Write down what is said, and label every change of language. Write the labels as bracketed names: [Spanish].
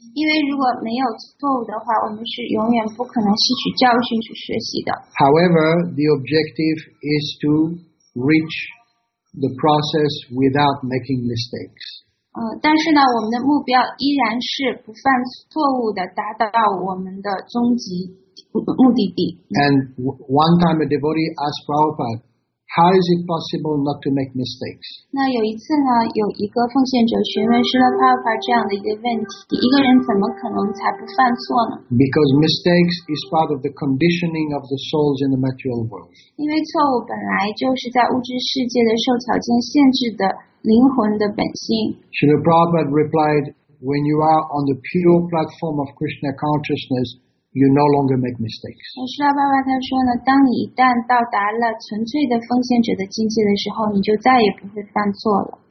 [Chinese] 因为如果没有错误的话，我们是永远不可能吸取教训去学习的。 [English] However, the objective is to reach. The process without making mistakes. [Chinese] 但是呢，我们的目标依然是不犯错误的达到我们的终极目的地。 [English] And one time a devotee asked Prabhupada, "How is it possible not to make mistakes?" [Chinese] 那有一次呢，有一个奉献者询问释迦牟尼佛这样的一个问题：一个人怎么可能才不犯错呢？ [English] Because mistakes is part of the conditioning of the souls in the material world. [Chinese] 因为错误本来就是在物质世界的受条件限制的灵魂的本性。 [English] Srila Prabhupada replied, "When you are on the pure platform of Krishna consciousness,You no longer make mistakes." [Chinese] 释迦牟尼佛他说呢，当你一旦到达了纯粹的奉献者的境界的时候，你就再也不会犯错了。